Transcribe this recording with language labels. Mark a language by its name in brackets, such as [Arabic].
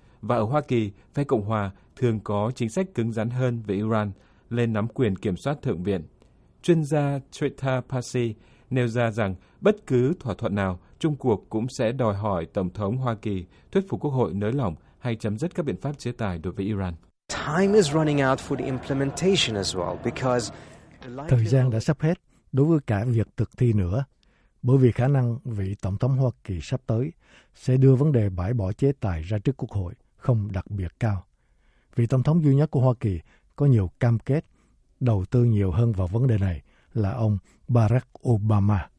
[Vietnamese] Và ở Hoa Kỳ, phe Cộng Hòa thường có chính sách cứng rắn hơn với Iran lên nắm quyền kiểm soát Thượng viện. Chuyên gia Trita Pasi nêu ra rằng bất cứ thỏa thuận nào, chung cuộc cũng sẽ đòi hỏi Tổng thống Hoa Kỳ thuyết phục Quốc hội nới lỏng hay chấm dứt các biện pháp chế tài đối với Iran. [English] Time is running out for the implementation as well, because [Vietnamese] thời gian đã sắp hết đối với cả việc thực thi nữa, bởi vì khả năng vị Tổng thống Hoa Kỳ sắp tới sẽ đưa vấn đề bãi bỏ chế tài ra trước Quốc hội không đặc biệt cao. Vị Tổng thống duy nhất của Hoa Kỳ có nhiều cam kết đầu tư nhiều hơn vào vấn đề này là ông Barack Obama.